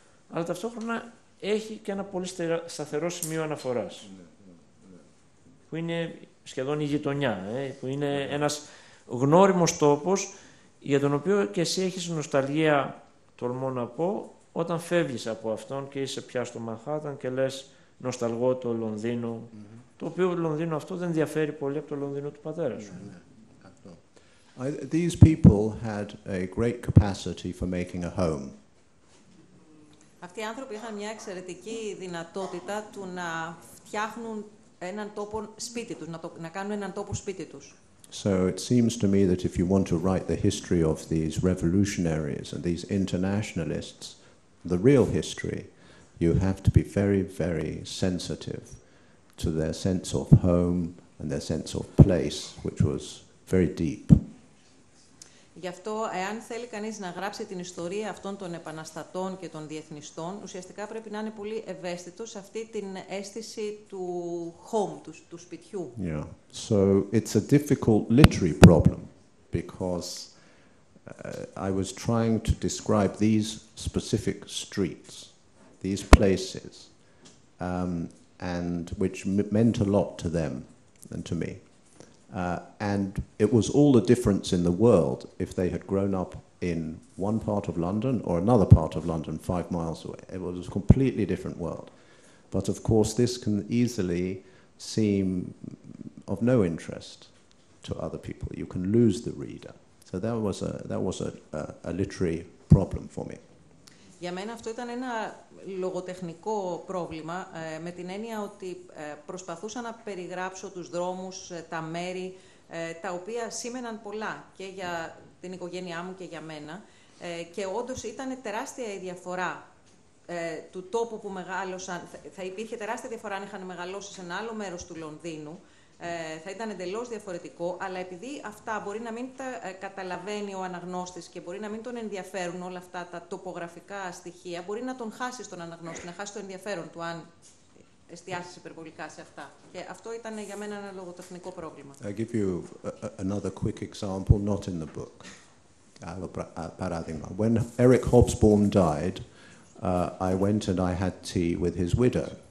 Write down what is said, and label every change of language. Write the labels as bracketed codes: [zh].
[el] Αλλά ταυτόχρονα έχει και ένα πολύ σταθερό σημείο αναφοράς, που είναι σχεδόν η γειτονιά, που είναι ένας γνώριμος τόπος, για τον οποίο και εσύ έχεις νοσταλγία, τολμώ να πω, όταν φεύγεις από αυτόν και είσαι πια στο Μανχάταν και λες νοσταλγώ το Λονδίνο, το οποίο Λονδίνο αυτό δεν διαφέρει πολύ από το Λονδίνο του πατέρα σου. [en] These people had a great capacity for making a home. [el] Αυτοί οι άνθρωποι είχαν μια εξαιρετική δυνατότητα του να φτιάχνουν έναν τόπο σπίτι τους, να κάνουν έναν τόπο σπίτι τους. [en] So it seems to me that if you want to write the history of these revolutionaries and these internationalists, the real history, you have to be very, very sensitive to their sense of home and their sense of place, which was very deep. [el] Γι' αυτό, εάν θέλει κανείς να γράψει την ιστορία αυτών των επαναστατών και των διεθνιστών, ουσιαστικά πρέπει να είναι πολύ ευαίσθητος σε αυτή την αίσθηση του home, του σπιτιού. [en] Yeah. So it's a difficult literary problem because I was trying to describe these specific streets, these places, and which meant a lot to them and to me. And it was all the difference in the world if they had grown up in one part of London or another part of London 5 miles away. It was a completely different world. But of course, this can easily seem of no interest to other people. You can lose the reader. So that was a literary problem for me. [el] Για μένα αυτό ήταν ένα λογοτεχνικό πρόβλημα, με την έννοια ότι προσπαθούσα να περιγράψω τους δρόμους, τα μέρη, τα οποία σήμαιναν πολλά και για την οικογένειά μου και για μένα. Και όντως ήταν τεράστια η διαφορά του τόπου που μεγάλωσαν. Θα υπήρχε τεράστια διαφορά αν είχαν μεγαλώσει σε ένα άλλο μέρος του Λονδίνου. Θα ήταν εντελώς διαφορετικό, αλλά επειδή αυτά μπορεί να μην τα καταλαβαίνει ο αναγνώστης και μπορεί να μην τον ενδιαφέρουν όλα αυτά τα τοπογραφικά στοιχεία, μπορεί να τον χάσει τον αναγνώστη, να χάσει το ενδιαφέρον του αν εστιάσει υπερβολικά σε αυτά. Και αυτό ήταν για μένα ένα λογοτεχνικό πρόβλημα. [en] I'll give you another quick example, not in the book. [el] Παράδειγμα. [en] When Eric Hobsbawm died, I went and I had tea with his widow.